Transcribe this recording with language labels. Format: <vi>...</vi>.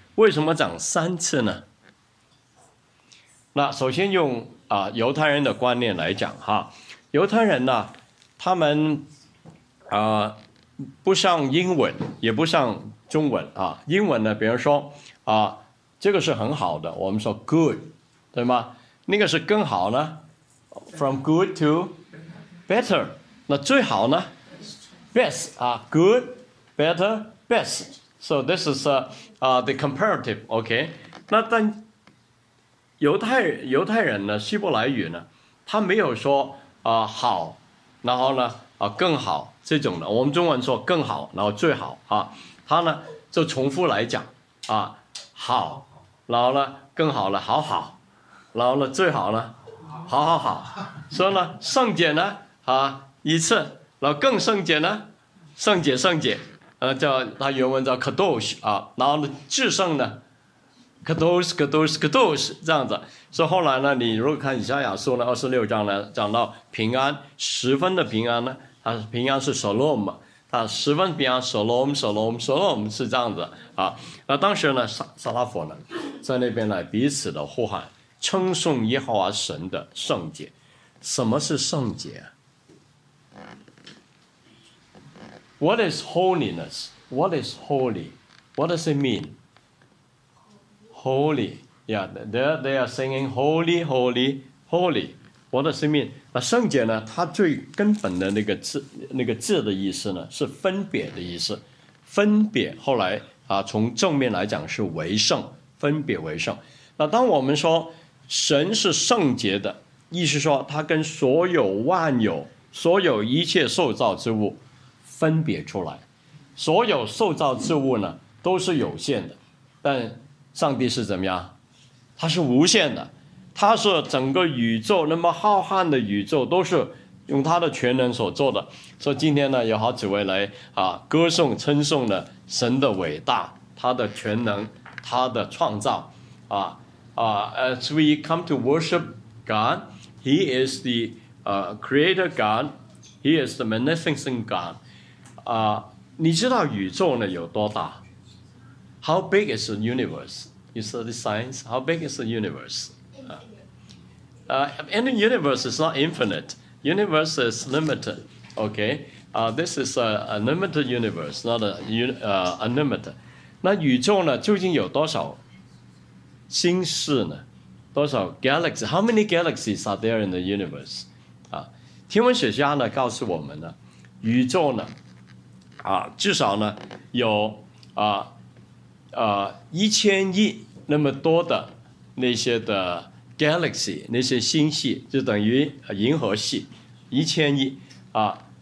<zh>为什么讲三次呢？那首先用啊犹太人的观念来讲哈，犹太人呢，他们啊不像英文，也不像中文啊。英文呢，比如说啊，这个是很好的，我们说 good， 对吗？那个是更好呢 ，</zh> <en>from good to better，</en> <zh>那最好呢 ，best 啊 ，</zh> <en>good， better， best。 So this is the comparative， OK？</en> <zh>那但犹太人呢，希伯来语呢，他没有说啊好，然后呢啊更好这种的。我们中文说更好，然后最好啊，他呢就重复来讲啊好，然后呢更好了好好，然后呢最好呢好好好。所以呢圣洁呢啊一次，然后更圣洁呢圣洁圣洁，叫他原文叫 kadosh 啊，然后呢至圣呢。 Kadosh, Kadosh, Kadosh， 这样子。所以后来呢，你如果看以赛亚书呢，二十六章呢，讲到平安，十分的平安呢，它平安是 Shalom 嘛，它十分平安 ，Shalom, Shalom, Shalom， 是这样子啊。那当时呢，撒拉佛呢，在那边呢，彼此的呼喊，称颂耶和华神的圣洁。什么是圣洁 ？</zh> <en>What is holiness? What is holy? What does it mean? Holy, yeah, they are singing holy, holy, holy. What does it mean?</en> <zh>那圣洁呢？它最根本的那个字的意思呢，是分别的意思。分别后来啊，从正面来讲是为圣，分别为圣。那当我们说神是圣洁的，意思说他跟所有万有、所有一切受造之物分别出来。所有受造之物呢，都是有限的，但上帝是怎么样？他是无限的，他是整个宇宙那么浩瀚的宇宙都是用他的全能所做的。所以今天呢，有好几位来啊，歌颂称颂的神的伟大，他的全能，他的创造啊啊。</zh> <en>As we come to worship God, He is the Creator God, He is the Magnificent God.</en> <zh>啊，你知道宇宙呢有多大？</zh> <en>How big is the universe? You study the science? How big is the universe? And the universe is not infinite. Universe is limited. Okay? This is a limited universe, not unlimited.</en> <zh>那宇宙呢究竟有多少星系呢？多少 galaxy?</zh> <en>How many galaxies are there in the universe?</en> <zh>天文学家呢告诉我们呢，宇宙呢至少呢有一千亿那么多的那些的 galaxy， 那些星系就等于银河系，一千亿啊。</zh>